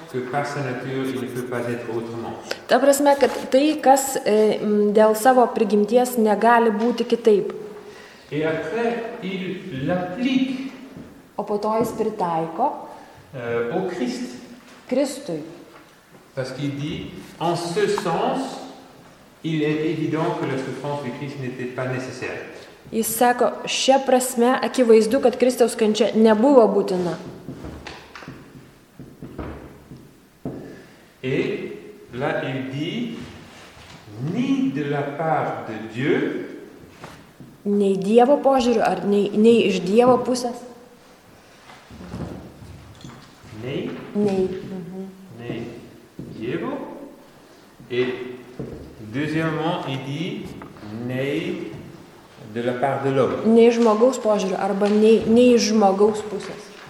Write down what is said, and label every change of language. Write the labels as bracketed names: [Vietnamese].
[French] grâce à nature, il ne peut pas être autrement. [Lithuanian] Ta prasme, kad tai, kas dėl savo prigimties negali būti kitaip. [French] Et après, il l'applique. [Lithuanian] O po to jis pritaiko. [French] Au Christ. [Lithuanian] Kristui. [French] Parce qu'il dit, en ce sens, il est évident que la souffrance du Christ n'était pas nécessaire. [Lithuanian] Jis sako, šia prasme, akivaizdu, kad Kristaus kančia nebuvo būtina. [French] Et là, il dit, ni de la part de Dieu, [Lithuanian] nei Dievo požiūriu, ar nei iš Dievo pusės. Nei Dievo. [French] Et deuxièmement, il dit, nei de la part de l'homme. [Lithuanian] Nei žmogaus požiūriu, arba nei iš žmogaus pusės.